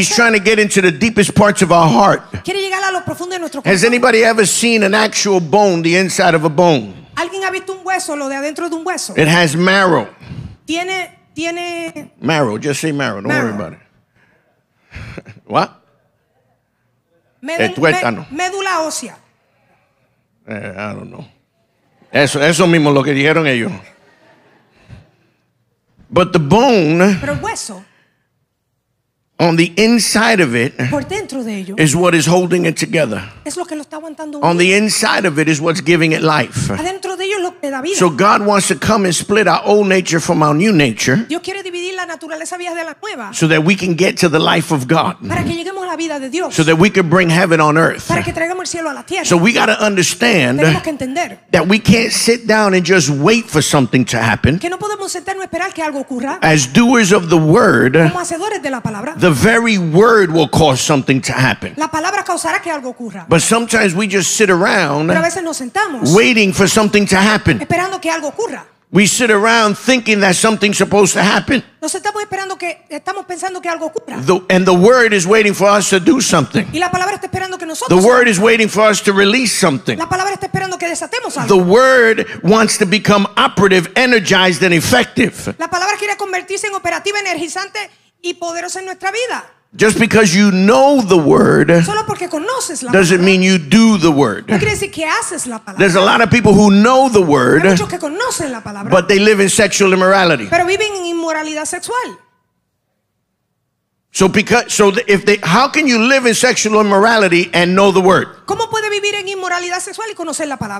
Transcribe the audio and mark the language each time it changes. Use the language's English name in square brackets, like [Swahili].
[English] He's trying to get into the deepest parts of our heart. [Spanish] Quiere llegar a lo profundo de nuestro corazón. [English] Has anybody ever seen an actual bone, the inside of a bone? [Spanish] ¿Alguien ha visto un hueso, lo de adentro de un hueso? [English] It has marrow. [Spanish] Tiene tiene [English] marrow. Just say marrow. Don't marrow. Worry about it. What? [Spanish] Tuétano. Médula ósea. [English] I don't know. [Spanish] Eso mismo lo que dijeron ellos. [English] But the bone, [Spanish] pero el hueso, [English] on the inside of it, [Spanish] por dentro de ello, [English] is what is holding it together. [Spanish] Es lo que lo está aguantando. [English] On the inside of it is what's giving it life. [Spanish] Adentro de ello es lo que da vida. [English] So God wants to come and split our old nature from our new nature. [Spanish] Dios quiere dividir la naturaleza vieja de la nueva. [English] So that we can get to the life of God. [Spanish] Para que lleguemos a la vida de Dios. [English] So that we can bring heaven on earth. [Spanish] Para que traigamos el cielo a la tierra. [English] So we got to understand, [Spanish] tenemos que entender, [English] that we can't sit down and just wait for something to happen. [Spanish] Que no podemos sentarnos a esperar que algo ocurra. [English] As doers of the word, [Spanish] como hacedores de la palabra, [English] the very word will cause something to happen. [Spanish] La palabra causará que algo ocurra. [English] But sometimes we just sit around, [Spanish] pero a veces nos sentamos, [English] waiting for something to happen. [Spanish] Esperando que algo ocurra. [English] We sit around thinking that something's supposed to happen. [Spanish] Nos estamos esperando que, estamos pensando que algo ocurra. [English] And the word is waiting for us to do something. [Spanish] Y la palabra está esperando que nosotros, [English] the word is waiting for us to release something. [Spanish] La palabra está esperando que desatemos algo. [English] The word wants to become operative, energized, and effective. [Spanish] La palabra quiere convertirse en operativa, energizante, y poderosa en nuestra vida. [English] Just because you know the word, [Spanish] solo porque conoces la, [English] doesn't mean you do the word. [Spanish] No quiere decir que haces la palabra. [English] There's a lot of people who know the word, [Spanish] hay muchos que conocen la palabra, [English] but they live in sexual immorality. [Spanish] Pero viven en inmoralidad sexual. [English] So because, so if they, how can you live in sexual immorality and know the word? [Spanish] ¿Cómo puede vivir en inmoralidad sexual y conocer la palabra?